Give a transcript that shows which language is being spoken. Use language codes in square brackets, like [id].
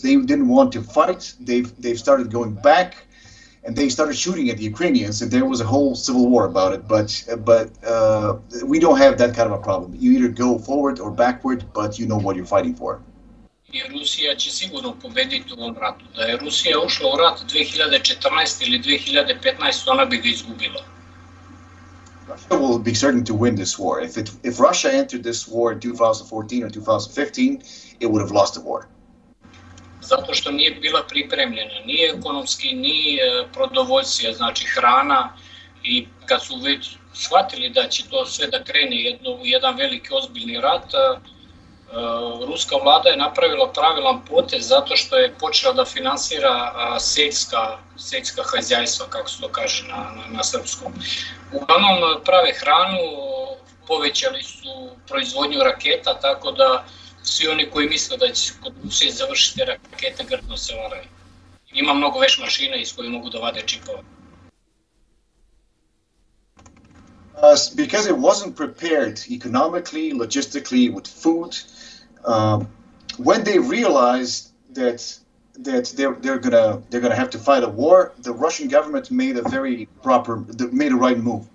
[en] They didn't want to fight. They've started going back, and they started shooting at the Ukrainians, and there was a whole civil war about it. But we don't have that kind of a problem. You either go forward or backward, but you know what you're fighting for. [sr] I Rusija će sigurno pobediti u ovom ratu. Da je Rusija ušla u rat 2014 ili 2015, ona bi ga izgubila. [en] Russia will be certain to win this war. If Russia entered this war in 2014 or 2015, it would have lost the war. [sr] Zato što nije bila pripremljena, ni ekonomski, ni prodovoljstvo, znači hrana, i kad su već shvatili da će to sve da krene jedan veliki ozbiljni rat, ruska vlada je napravila pravilan potez zato što je počela da finansira seljska hajdajstva, kako se to kaže na srpskom. Uglavnom prave hranu, povećali su proizvodnju raketa, tako da svi oni koji misle da će kod Rusije završiti rakete, grdno se varaju. Ima mnogo veš mašina iz koje mogu da vade čipove. [en] Because it wasn't prepared economically, logistically, with food, when they realized that they're gonna have to fight a war, the Russian government made a right move.